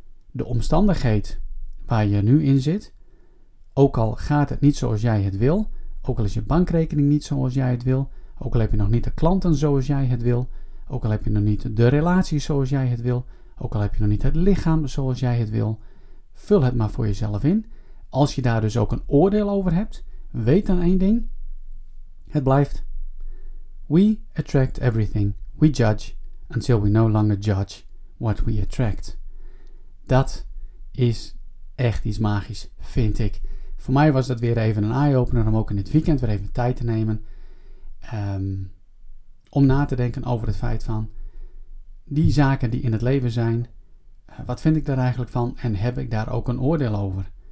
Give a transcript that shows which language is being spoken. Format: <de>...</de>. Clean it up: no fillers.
<nl>De omstandigheid waar je nu in zit, ook al gaat het niet zoals jij het wil, ook al is je bankrekening niet zoals jij het wil, ook al heb je nog niet de klanten zoals jij het wil, ook al heb je nog niet de relatie zoals jij het wil, ook al heb je nog niet het lichaam zoals jij het wil, vul het maar voor jezelf in. Als je daar dus ook een oordeel over hebt, weet dan één ding, het blijft.</nl> <en>We attract everything we judge until we no longer judge what we attract.</en> <nl>Dat is echt iets magisch, vind ik. Voor mij was dat weer even een eye-opener om ook in het weekend weer even tijd te nemen. Om na te denken over het feit van die zaken die in het leven zijn, wat vind ik daar eigenlijk van en heb ik daar ook een oordeel over?</nl>